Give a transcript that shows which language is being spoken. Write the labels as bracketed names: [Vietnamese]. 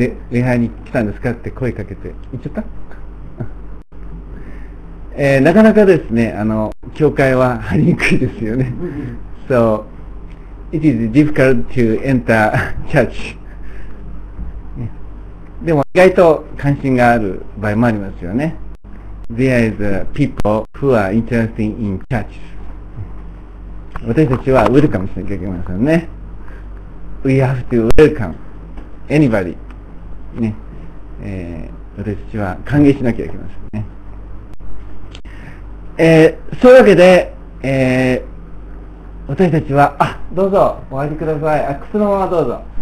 [Japanese] 礼拝に来たんですかって声かけて。行っちゃった？なかなかですね、教会は入りにくいですよね。 [English] So, it is difficult to enter church. [Japanese] でも、意外と関心がある場合もありますよね。 [English] There is people who are interested in churches. [Japanese] 私たちはウェルカムしなきゃいけませんね。 [English] We have to welcome anybody. [Japanese] ね、私たちは歓迎しなきゃいけませんね。そういうわけで、私たちは、どうぞお入りください。靴のままどうぞ。